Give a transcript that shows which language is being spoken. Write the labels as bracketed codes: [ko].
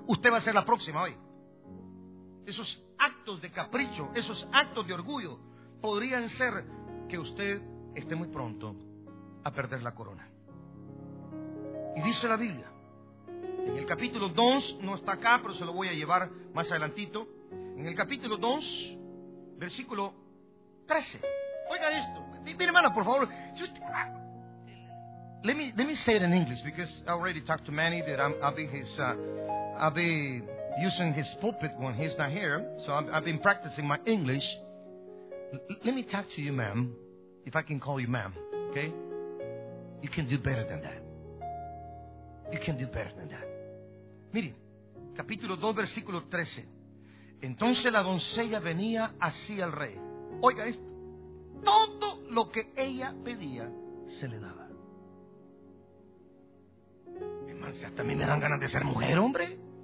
[es] Usted va a ser la próxima hoy. Esos actos de capricho, esos actos de orgullo, podrían ser que usted esté muy pronto a perder la corona. Y dice la Biblia, en el capítulo 2, no está acá, pero se lo voy a llevar más adelantito. En el capítulo 2, versículo 13. Oiga esto, mi hermana, por favor, si usted... [en] Let me say it in English, because I already talked to Manny that I'll be using his pulpit when he's not here, so I've been practicing my English. Let me talk to you, ma'am, if I can call you ma'am, okay? You can do better than that. You can do better than that. [es] Mire, capítulo 2, versículo 13. Entonces la doncella venía así al rey. Oiga esto. Todo lo que ella pedía se le daba. Hermano, ¿sí hasta a mí me dan ganas de ser mujer, hombre?